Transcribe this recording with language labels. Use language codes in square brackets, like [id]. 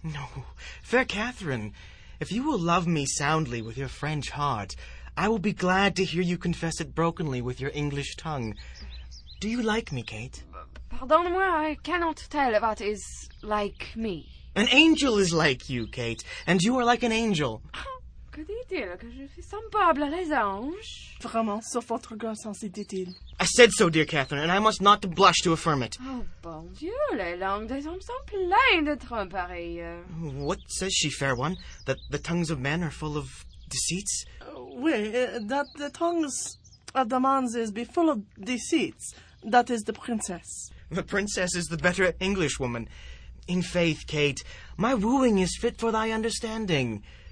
[en] No, fair Catherine, if you will love me soundly with your French heart, I will be glad to hear you confess it brokenly with your English tongue. Do you like me, Kate? [fr] Pardon moi, [en] I cannot tell what is like me. An angel is like you, Kate, and you are like an angel. [fr] Que dit-il? Que je suis semblable à les anges? Vraiment, sauf votre grâce, ainsi dit-il. [en] I said so, dear Catherine, and I must not blush to affirm it. [fr] Oh, bon Dieu, les langues des hommes sont pleines de tromperies. [en] What says she, fair one? That the tongues of men are full of deceits? Oui, that the tongues of the manses be full of deceits, that is the princess. The princess is the better Englishwoman. In faith, Kate, my wooing is fit for thy understanding.